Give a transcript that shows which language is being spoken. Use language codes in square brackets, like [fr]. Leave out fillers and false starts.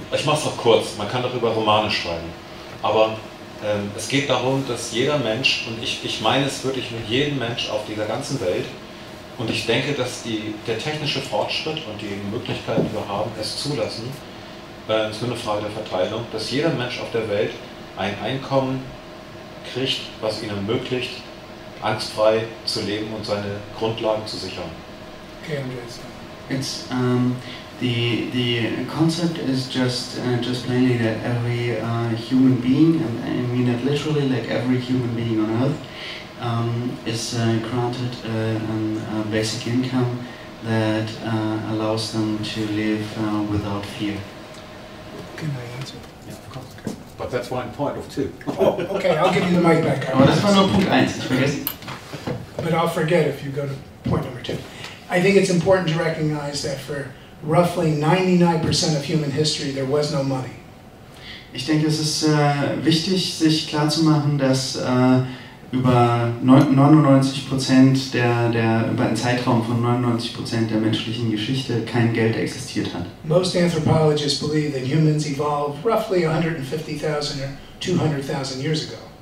[de] Ich mache es noch kurz, man kann darüber Romane schreiben, aber es geht darum, dass jeder Mensch, und ich meine es wirklich mit jedem Mensch auf dieser ganzen Welt, und ich denke, dass der technische Fortschritt und die Möglichkeiten, die wir haben, es zulassen, ist nur eine Frage der Verteilung, dass jeder Mensch auf der Welt ein Einkommen kriegt, was ihn ermöglicht, angstfrei zu leben und seine Grundlagen zu sichern. Okay, Andreas. [en] It's the concept is just plainly that every human being, I mean it literally, like every human being on Earth, is granted a basic income that allows them to live without fear. Can I answer? Yeah, of course. Okay. But that's one point of two. Oh, okay, I'll give you the mic back. Oh, that's one of point eins. But I'll forget if you go to point number two. I think it's important to recognize that for roughly 99% of human history, there was no money. [de] Ich denke, es ist wichtig, sich klarzumachen, dass über 99% über einen Zeitraum von 99% der menschlichen Geschichte kein Geld existiert hat. [en] Most anthropologists believe that humans evolved roughly 150,000 or 200,000 years ago.